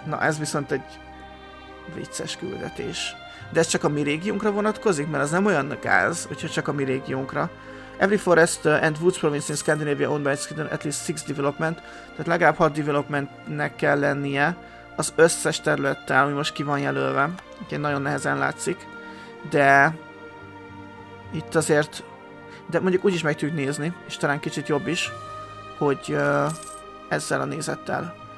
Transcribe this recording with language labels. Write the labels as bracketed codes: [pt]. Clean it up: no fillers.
[hu] Na ez viszont egy vicces küldetés. De ez csak a mi régiónkra vonatkozik? Mert az nem olyan gáz, hogyha csak a mi régiónkra. [en] Every forest and woods province in Scandinavia owned by Sweden at least 6 development. [hu] Tehát legalább 6 developmentnek kell lennie az összes területtel, ami most ki van jelölve. Úgyhogy nagyon nehezen látszik. De itt azért... De mondjuk úgyis meg tudjuk nézni, és talán kicsit jobb is, hogy ezzel a nézettel.